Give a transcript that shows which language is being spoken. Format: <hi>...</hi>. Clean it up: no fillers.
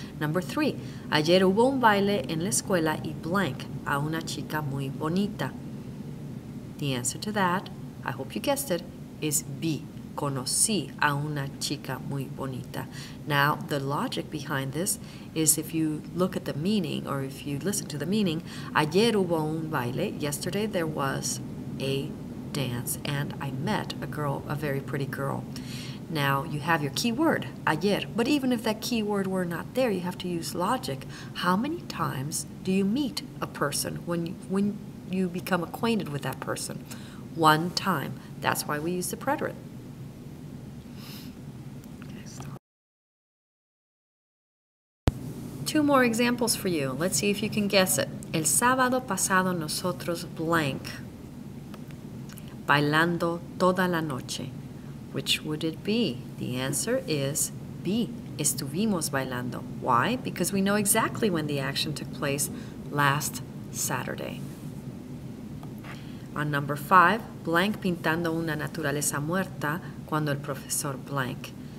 <en>Number three,</en> <es>ayer hubo un baile en la escuela y blank a una chica muy bonita.</es> <en>The answer to that, I hope you guessed it, is B.</en> <es>Conocí a una chica muy bonita.</es> <en>Now, the logic behind this is if you look at the meaning or if you listen to the meaning,</en> <es>ayer hubo un baile,</es> <en>yesterday there was a dance and I met a girl, a very pretty girl. Now, you have your keyword, ayer, but even if that keyword were not there, you have to use logic. How many times do you meet a person when you become acquainted with that person? One time. That's why we use the preterite. Two more examples for you. Let's see if you can guess it.</en> <es>El sábado pasado nosotros blank bailando toda la noche.</es> <en>Which would it be? The answer is B.</en> <es>Estuvimos bailando.</es> <en>Why? Because we know exactly when the action took place last Saturday. On number five,</en> <es>blank pintando una naturaleza muerta cuando el profesor blank.</es>